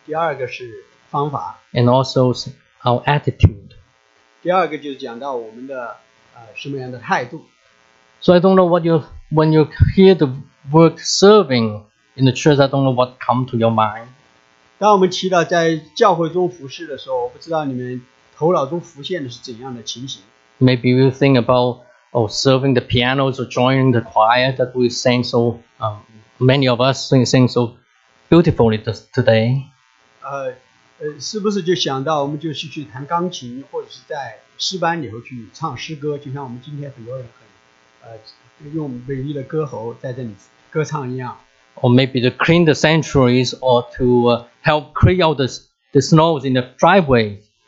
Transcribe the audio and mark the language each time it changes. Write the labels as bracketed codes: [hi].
[zh] 我要讲到两点，一个是目的，第二个是方法。 [en] And also our attitude. [zh] 第二个就是讲到我们的什么样的态度。 [en] So I don't know what you, when you hear the word serving in the church, I don't know what comes to your mind. [zh] 当我们提到在教会中服侍的时候，我不知道你们头脑中浮现的是怎样的情形。 [en] Maybe you think about serving the pianos or joining the choir that we sing so many of us sing so beautifully today. [zh] 是不是就想到我们就是去弹钢琴，或者是在诗班里头去唱诗歌，就像我们今天很多人用美丽的歌喉在这里歌唱一样。 [en] Or maybe to clean the sanctuaries or to help clear out the snows in the driveway.